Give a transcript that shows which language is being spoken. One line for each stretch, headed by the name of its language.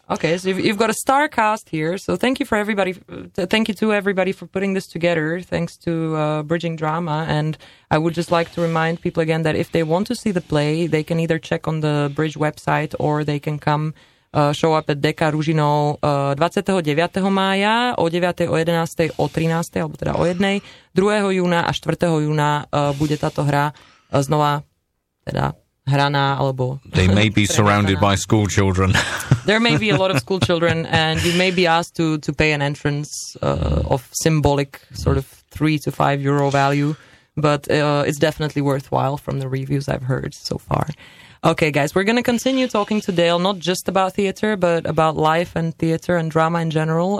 English: Okay, so you've got a star cast here. So thank you for everybody. Thank you to everybody for putting this together. Thanks to Bridging Drama. And I would just like to remind people again that if they want to see the play, they can either check on the Bridge website or they can come show up at Deka Ružinou 29.
Slovak: mája o 9. o 11. o 13. alebo teda o 1. 2. júna a 4. júna bude táto hra znova teda hraná alebo
English: They may be surrounded by school children. There may be a lot of school children and you may be asked to pay an entrance of symbolic sort of 3-5 euro value, but it's definitely worthwhile from the reviews I've heard so far. Okay, guys, we're going to continue talking to Dale, not just about theater, but about life and theater and drama in general.